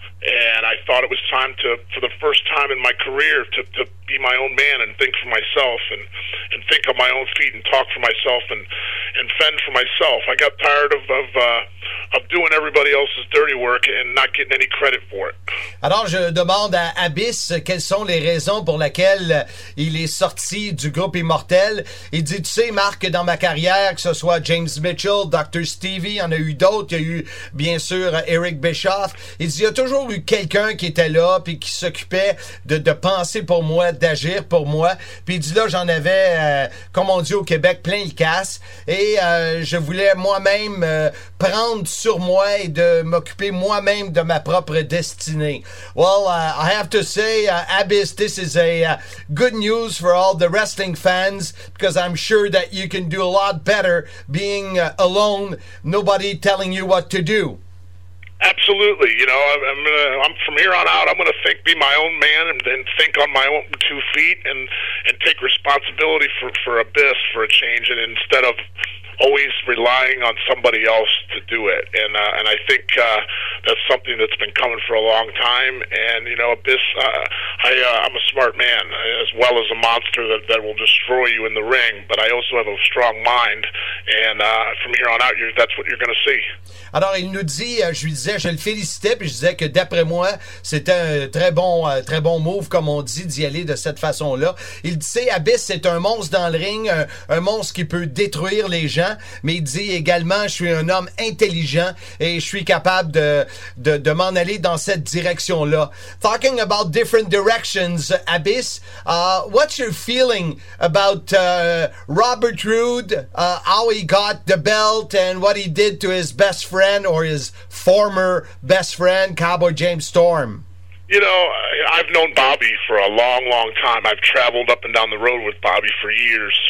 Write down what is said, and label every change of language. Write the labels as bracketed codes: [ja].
[en] And I thought it was time to, for the first time in my career, to be my own man and think for myself and think on my own feet and talk for myself and fend for myself. I got tired of doing everybody else's dirty work and not getting any credit for it. [fr] Alors, je demande à Abyss quelles sont les raisons pour lesquelles il est sorti du groupe Immortel. Il dit, tu sais, Marc, dans ma carrière, que ce soit James Mitchell, Dr. Stevie, il y en a eu d'autres. Il y a eu, bien sûr, Eric Bischoff. Il dit, il y a toujours eu quelqu'un qui était là, puis qui s'occupait de penser pour moi, d'agir pour moi. Puis il dit, là, j'en avais, comme on dit au Québec, plein le casse. Et je voulais moi-même prendre sur moi et de m'occuper moi-même de ma propre destinée. [en] Well, I have to say, Abyss, this is a good news for all the wrestling fans, because I'm sure that you can do a lot better being alone, nobody telling you what to do. Absolutely. You know, I'm from here on out, I'm going to think, be my own man and think on my own two feet and take responsibility for Abyss for a change, and instead of always relying on somebody else to do it. And I think, that's something that's been coming for a long time. And, you know, Abyss, I'm a smart man, as well as a monster that will destroy you in the ring, but I also have a strong mind, and from here on out, that's what you're going to see. [fr] Alors, il nous dit, je lui disais, je le félicitais, puis je disais que d'après moi, c'était un très bon move, comme on dit, d'y aller de cette façon-là. Il disait, Abyss, c'est un monstre dans le ring, un monstre qui peut détruire les gens, mais il dit également, je suis un homme intelligent et je suis capable de m'en aller dans cette direction-là. [en] Talking about different directions, Abyss, what's your feeling about Robert Roode, how he got the belt and what he did to his best friend or his former best friend, Cowboy James Storm? You know, I've known Bobby for a long, long time. I've traveled up and down the road with Bobby for years.